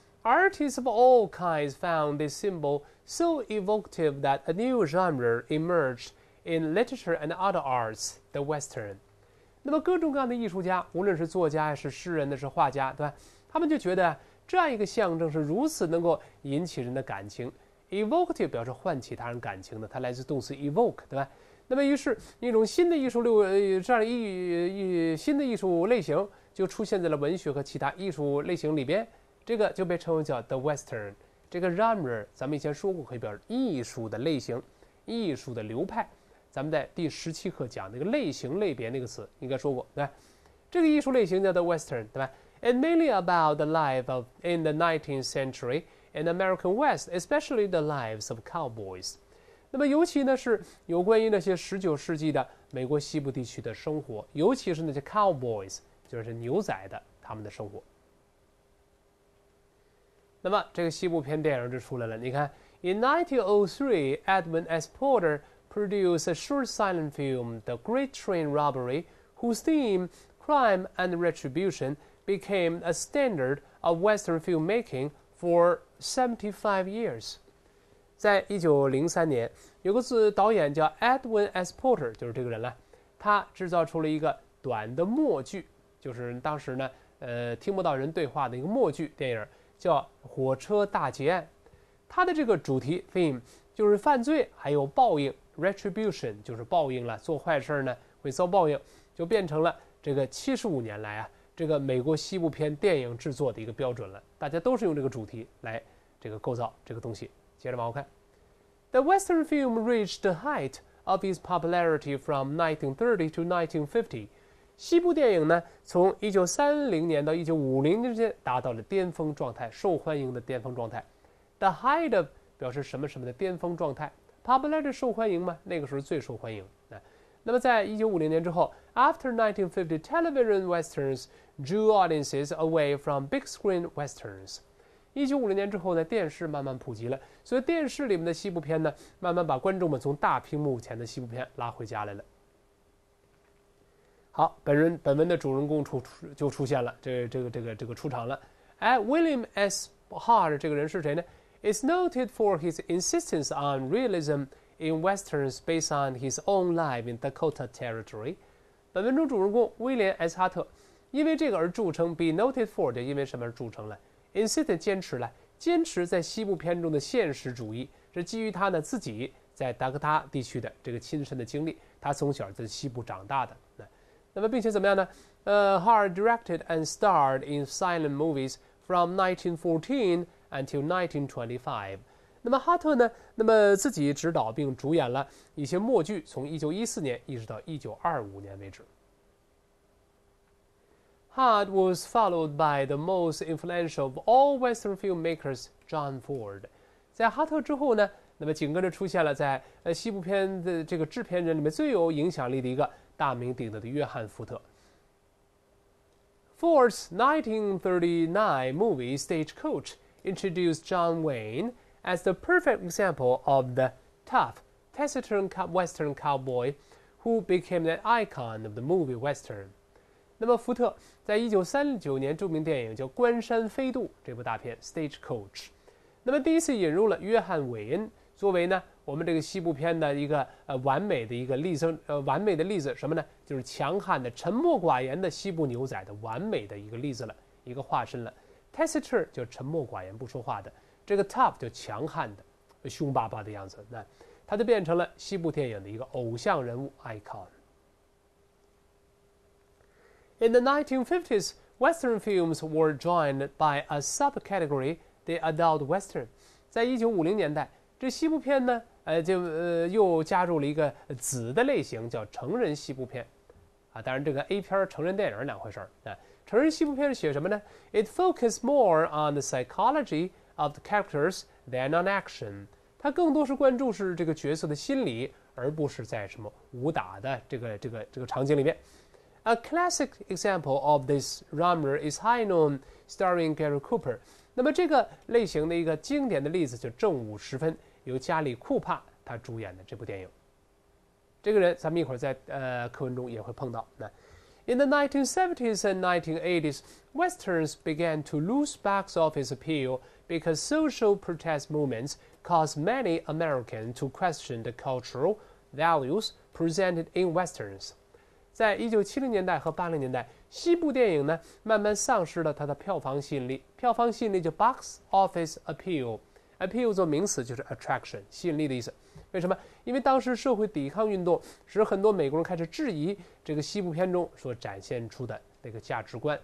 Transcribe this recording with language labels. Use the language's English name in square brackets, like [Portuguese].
[English] Artists of all kinds found this symbol so evocative that a new genre emerged in literature and other arts, the Western. [Chinese] 那么各种各样的艺术家，无论是作家是诗人的是画家，对吧？他们就觉得这样一个象征是如此能够引起人的感情。 Evocative 表示唤起他人感情的，它来自动词 evoke， 对吧？那么于是一种新的艺术流，这样新的艺术类型就出现在了文学和其他艺术类型里边。这个就被称为叫 the Western， 这个 genre 咱们以前说过可以表示艺术的类型、艺术的流派。咱们在第十七课讲那个类型类别那个词应该说过，对吧？这个艺术类型叫 [English] the Western， [Chinese] 对吧 [English] ？And mainly about the life of in the 19th century in American West, especially the lives of cowboys。 [Chinese] 那么尤其呢是有关于那些十九世纪的美国西部地区的生活，尤其是那些 cowboys， 就是牛仔的他们的生活。那么这个西部片电影就出来了。你看 ， [English] In 1903, Edwin S. Porter produced a short silent film, The Great Train Robbery, whose theme, crime and retribution, became a standard of Western filmmaking for 75 years. [Chinese] 在1903年，有个导演叫 Edwin S. Porter， 就是这个人了。他制造出了一个短的默剧，就是当时呢，听不到人对话的一个默剧电影。叫火车大劫案，它的这个主题 theme 就是犯罪还有报应 retribution 就是报应了，做坏事呢会遭报应，就变成了这个75年来啊这个美国西部片电影制作的一个标准了。大家都是用这个主题来这个构造这个东西。接着往后看 [English] ，The Western film reached the height of its popularity from 1930 to 1950。 [Chinese] 西部电影呢，从1930年到1950年之间达到了巅峰状态，受欢迎的巅峰状态。 [English] The height of [Chinese] 表示什么什么的巅峰状态 ，popularity 受欢迎吗？那个时候最受欢迎。那么在1950年之后 [English] ，after 1950 television westerns drew audiences away from big screen westerns。 [Chinese] 1950年之后呢，电视慢慢普及了，所以电视里面的西部片呢，慢慢把观众们从大屏幕前的西部片拉回家来了。好，本文的主人公就出现了，这个出场了。 [English] 哎 ，William S. Hart [Chinese] 这个人是谁呢 [English] ？Is noted for his insistence on realism in westerns based on his own life in Dakota Territory。 [Chinese] 本文中主人公威廉 S. 哈特因为这个而著称 ， [English] be noted for [Chinese] 就因为什么而著称了 ？Insist 坚持了，坚持在西部片中的现实主义，是基于他呢自己在达科他地区的这个亲身的经历。他从小在西部长大的。那么并且怎么样呢？ [English] Hart directed and starred in silent movies from 1914 until 1925。 [Chinese] 那么哈特呢？那么自己指导并主演了一些默剧，从1914年一直到1925年为止。 [English] Hart was followed by the most influential of all Western filmmakers, John Ford。 [Chinese] 在哈特之后呢，那么紧跟着出现了在西部片的这个制片人里面最有影响力的一个大名鼎鼎的约翰·福特。 [English] Ford's 1939 movie Stagecoach introduced John Wayne as the perfect example of the tough, taciturn Western cowboy who became an icon of the movie Western. [Chinese] 那么福特在1939年著名电影叫《关山飞渡》这部大片 Stagecoach， 那么第一次引入了约翰·韦恩作为呢我们这个西部片的一个完美的一个例子，完美的例子什么呢？就是强悍的、沉默寡言的西部牛仔的完美的一个例子了，一个化身了。 Taciturn 就沉默寡言、不说话的，这个 Tough 就强悍的、凶巴巴的样子。那他就变成了西部电影的一个偶像人物 icon。 [English] In the 1950s, Western films were joined by a subcategory, the adult Western. [Chinese] 在1950年代。这西部片呢，又加入了一个子的类型，叫成人西部片，啊，当然这个 A 片成人电影两回事儿，成人西部片是写什么呢 ？ [English] It focuses more on the psychology of the characters than on action。 [Chinese] 它更多是关注是这个角色的心理，而不是在什么武打的这个场景里面。 [English] A classic example of this genre is High Noon, starring Gary Cooper。 [Chinese] 那么这个类型的一个经典的例子就《正午时分》，由加里·库帕他主演的这部电影。这个人咱们一会儿在课文中也会碰到。 [English] 那 In the 1970s and 1980s, Westerns began to lose box office appeal because social protest movements caused many Americans to question the cultural values presented in Westerns. [Chinese] 在1970年代和80年代。西部电影呢，慢慢丧失了它的票房吸引力。票房吸引力就 [English] box office appeal [Chinese] 做名词就是 attraction 吸引力的意思。为什么？因为当时社会抵抗运动使很多美国人开始质疑这个西部片中所展现出的那个价值观。